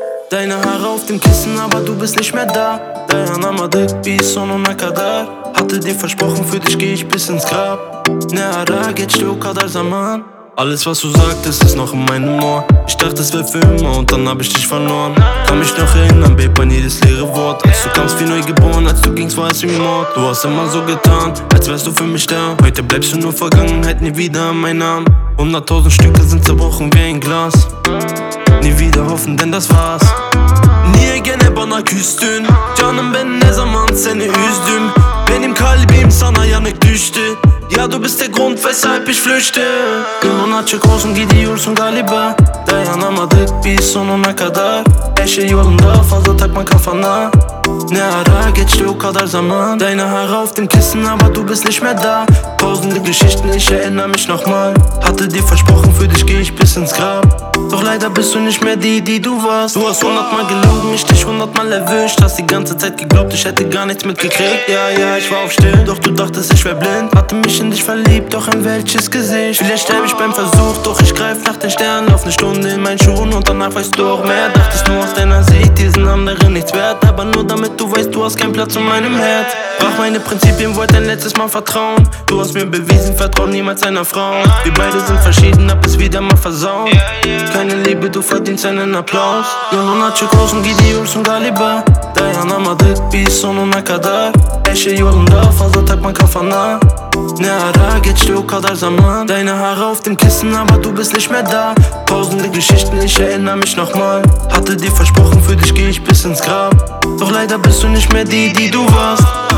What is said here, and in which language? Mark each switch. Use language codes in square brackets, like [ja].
[de] Deine Haare auf dem Kissen, aber du bist nicht mehr da. Deine Name dick bis [tr] sonuna kadar. [de] Hatte dir versprochen, für dich geh ich bis ins Grab. [tr] Ne ara geçti o kadar zaman. [de] Alles was du sagtest ist noch in meinem Ohr. Ich dachte es wär für immer und dann hab ich dich verloren. Kann mich noch erinnern, babe, an jedes leere Wort. Als du kamst wie neu geboren, als du gingst war es wie Mord. Du hast immer so getan, als wärst du für mich da. Heute bleibst du nur Vergangenheit, nie wieder mein Name. 100.000 Stücke sind zerbrochen wie ein Glas. Nie wieder hoffen, denn das war's. [tr] Niye gene bana küstün? Canım ben ne zaman seni üzdüm? Benim kalbim sana yanık düştü. [de] Ya du bist der Grund, weshalb ich flüchte. [tr] Yolun açık olsun, gidiyorsun galiba. Dayanamadık biz sonuna kadar. Her şey yolunda, fazla takma kafana. Ne ara geçti o kadar zaman. [de] Deine Haare auf dem Kissen, aber du bist nicht mehr da. Tausende Geschichten, ich erinnere mich nochmal. Hatte dir versprochen, für dich geh ich bis ins Grab. Doch leider bist du nicht mehr die, die du warst. Du hast 100-mal gelogen, ich dich 100-mal erwischt. Hast die ganze Zeit geglaubt, ich hätte gar nichts mitgekriegt. Ja, ja, ich war auf still, doch du dachtest, ich wär blind. Hatte mich in dich verliebt, doch in welches Gesicht. Vielleicht sterb ich beim Versuch, doch ich greif nach den Sternen. Lauf ne Stunde in meinen Schuhen und danach weißt du auch mehr. Dachtest nur aus deiner Sicht, diesen anderen nichts wert. Aber nur damit du weißt, du hast keinen Platz in meinem Herz. Brach meine Prinzipien, wollt dein letztes Mal vertrauen. Du hast mir bewiesen, vertrau niemals einer Frau. Wir beide sind verschieden, hab es wieder mal versaut. Keine Liebe, du verdienst einen Applaus. [tr] Yolun açık olsun, gidiyorsun galiba. Dayanamadık bir sonuna kadar. Her şey yolunda, fazla takma kafana. Ne ara geçti o kadar zaman. [de] Deine Haare auf dem Kissen, aber du bist nicht mehr da. Tausende Geschichten, ich erinnere mich nochmal. Hatte dir versprochen, für dich geh ich bis ins Grab. Doch leider bist du nicht mehr die, die du warst.